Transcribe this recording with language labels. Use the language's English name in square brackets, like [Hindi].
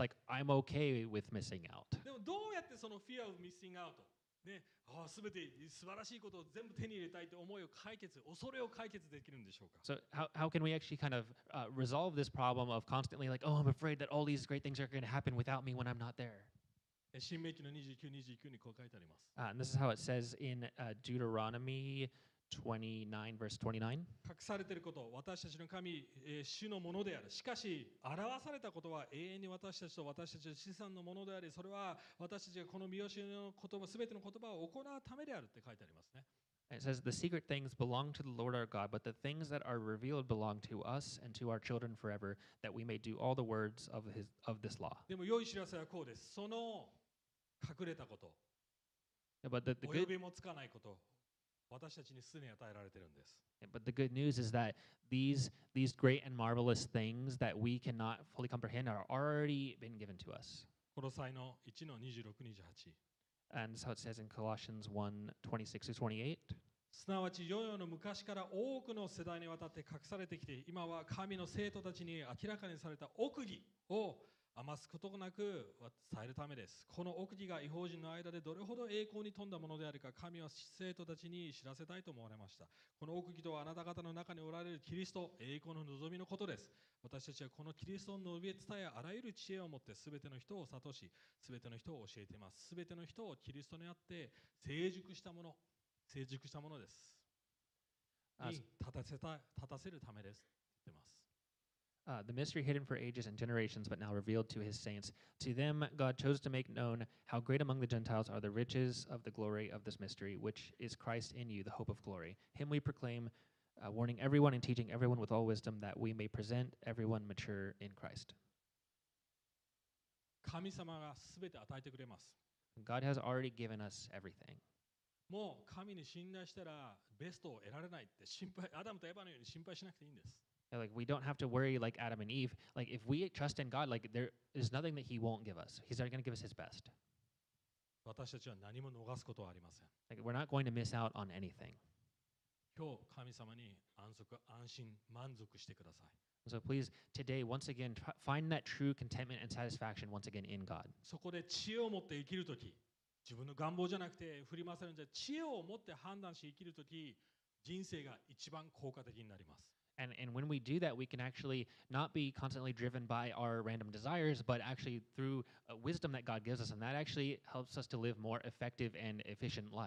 [English] Like I'm okay with missing out. [Japanese] でもどうやってその [English] fear of missing out [Japanese] ね、ああ全て素晴らしいことを全部手に入れたいって思いを解決、恐れを解決できるんでしょうか。 [English] So how can we actually kind of resolve this problem of constantly like, oh, I'm afraid that all these great things are going to happen without me when I'm not there? [Japanese] 新命記の29:29にこう書いてあります。 [English] And this is how it says in Deuteronomy 29 verse 29. [Japanese] 隠されていること、私たちの神、主のものである。しかし、表されたことは永遠に私たちと私たちの子孫のものであり、それは私たちがこの御教えの言葉、すべての言葉を行うためであるって書いてありますね。 [English] It says, the secret things belong to the Lord our God, but the things that are revealed belong to us and to our children forever, that we may do all the words of this law. [Japanese] でも良い知らせはこうです。その隠れたこと、お呼びもつかないこと、私たちに既に与えられてるんです。 [English] Yeah, but the good news is that these great and marvelous things that we cannot fully comprehend are already been given to us. [Japanese] コロサイの1の26、28。 [English] And so it says in Colossians 1:26-28. [Japanese] すなわち、世々の昔から多くの世代にわたって隠されてきて、今は神の生徒たちに明らかにされた奥義を余すことなく伝えるためです。この奥義が異邦人の間でどれほど栄光に富んだものであるか、神は生徒たちに知らせたいと思われました。この奥義とはあなた方の中におられるキリスト、栄光の望みのことです。私たちはこのキリストの述べ伝え、あらゆる知恵を持って全ての人を諭し、全ての人を教えています。全ての人をキリストにあって成熟したものです。に立たせるためです。 [English] The mystery hidden for ages and generations, but now revealed to his saints. To them, God chose to make known how great among the Gentiles are the riches of the glory of this mystery, which is Christ in you, the hope of glory. Him we proclaim, warning everyone and teaching everyone with all wisdom, that we may present everyone mature in Christ. [Japanese] 神様が全て与えてくれます。 [English] God has already given us everything. [Japanese] もう神に信頼したらベストを得られないって心配、アダムとエヴァのように心配しなくていいんです。 [English] Yeah, like we don't have to worry like Adam and Eve. Like if we trust in God, like there is nothing that He won't give us. He's already going to give us His best. [Japanese] 私たちは何も逃すことはありません。 [English] Like we're not going to miss out on anything. [Japanese] 今日神様に安息、安心、満足してください。 [English] So please today once again find that true contentment and satisfaction once again in God. [Japanese] そこで知恵を持って生きるとき。自分の願望じゃなくて振り回されるんじゃ知恵を持って判断し生きるとき人生が一番効果的になります。 [English] And when we do that, we can actually not be constantly driven by our random desires, but actually through wisdom that God gives us, and that actually helps us to live more effective and efficient life.